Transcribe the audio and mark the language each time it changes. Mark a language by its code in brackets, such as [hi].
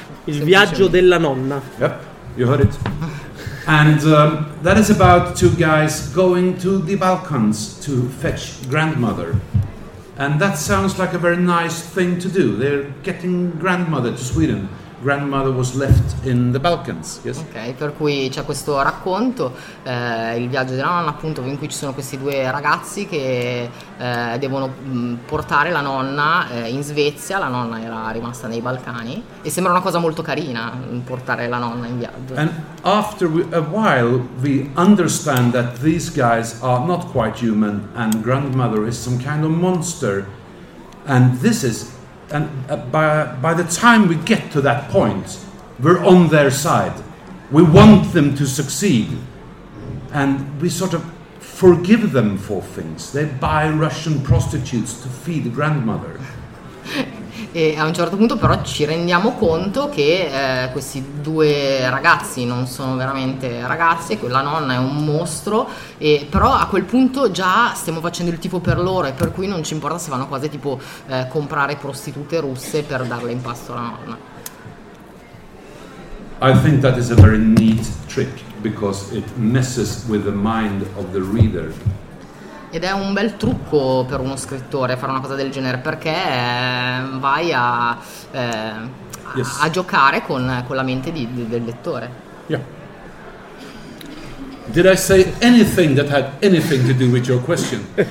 [it] Il viaggio della nonna. [en] Yep, you heard it. And that is about two guys going to the Balkans to fetch grandmother. And that sounds like a very nice thing to do. They're getting grandmother to Sweden. Grandmother was left in the Balkans. Yes. [it] Ok, per cui c'è questo racconto, il viaggio della nonna, appunto, in cui ci sono questi due ragazzi che devono portare la nonna in Svezia. La nonna era rimasta nei Balcani e sembra una cosa molto carina portare la nonna in viaggio. [en] And after a while we understand that these guys are not quite human and grandmother is some kind of monster, and this is by the time we get to that point, we're on their side. We want them to succeed, and we sort of forgive them for things. They buy Russian prostitutes to feed grandmother. [it] E a un certo punto però ci rendiamo conto che questi due ragazzi non sono veramente ragazzi, quella nonna è un mostro, e però a quel punto già stiamo facendo il tipo per loro, e per cui non ci importa se vanno quasi tipo comprare prostitute russe per darle in pasto alla nonna. [en] I think that is a very neat trick, because it messes with the mind of the reader. [it] Ed è un bel trucco per uno scrittore fare una cosa del genere, perché vai a giocare con la mente del lettore. [en] Yeah. Did I say anything that had anything to do with your question?